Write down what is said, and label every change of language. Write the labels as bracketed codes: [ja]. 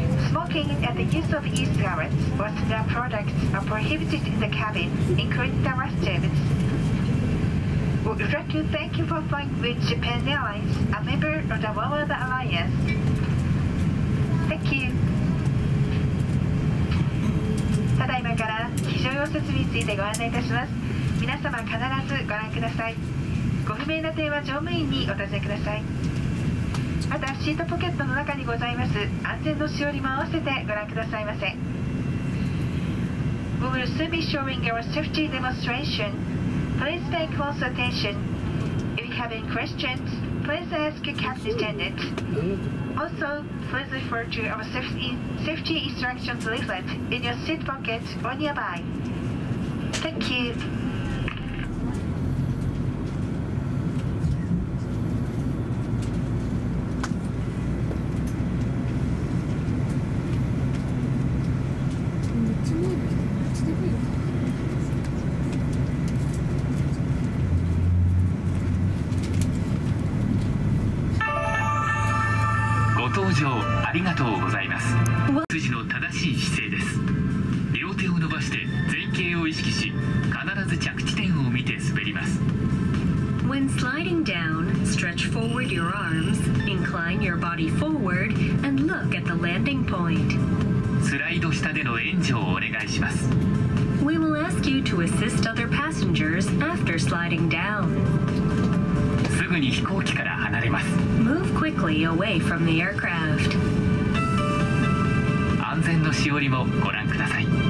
[en] Smoking and the use of e-cigarettes or similar products are prohibited in the cabin, including the restrooms. We would like to thank you for flying with Japan Airlines, a member of the Oneworld Alliance. Thank you. [ja] ただいまから非常用設備についてご案内いたします。皆様必ずご覧ください。ご不明な点は乗務員にお尋ねください。またシートポケットの中にございます安全のしおりも合わせてご覧くださいませ。 [en] We will soon be showing our safety demonstration. Please pay close attention. If you have any questions, please ask your captain attendant. Also, please refer to our safety instructions leaflet in your seat pocket or nearby. Thank you. [ja] ありがとうございます。筋の正しい姿勢です。両手を伸ばして前傾を意識し、必ず着地点を見て滑ります。 [en] When sliding down, stretch forward your arms, incline your body forward and look at the landing point. [ja] スライド下での援助をお願いします。 [en] We will ask you to assist other passengers after sliding down. [ja] すぐに飛行機から離れます。 [en] Move quickly away from the aircraft. [ja] 安全のしおりもご覧ください。